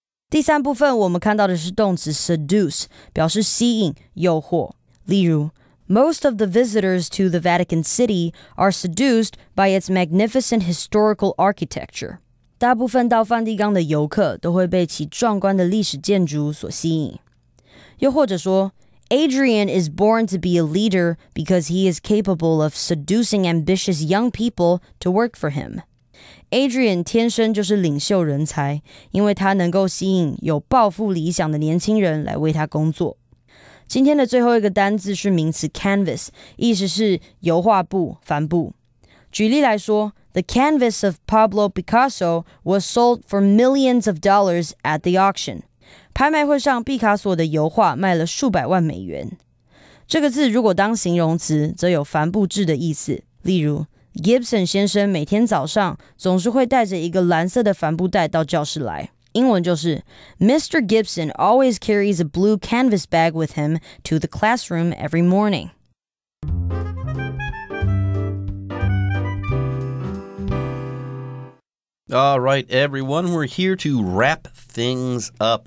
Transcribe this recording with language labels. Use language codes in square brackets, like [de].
[zh] 第三部分我们看到的是动词 seduce, 表示吸引、诱惑。例如 [en] ,Most of the visitors to the Vatican City are seduced by its magnificent historical architecture. [zh] 大部分到梵蒂冈的游客都会被其壮观的历史建筑所吸引。又或者说 [en] Adrian is born to be a leader because he is capable of seducing ambitious young people to work for him. [zh] Adrian 天生就是领袖人才，因为他能够吸引有抱负理想的年轻人来为他工作。今天的最后一个单字是名词 canvas， 意思是油画布、帆布。举例来说， [en] The canvas of Pablo Picasso was sold for millions of dollars at the auction. [zh] 拍卖会上，毕卡索的油画卖了数百万美元。这个字如果当形容词，则有帆布制的意思。例如， Gibson 先生每天早上总是会带着一个蓝色的帆布袋到教室来。英文就是 Mr. [en] Gibson always carries a blue canvas bag with him to the classroom every morning. All right, everyone, we're here to wrap things up.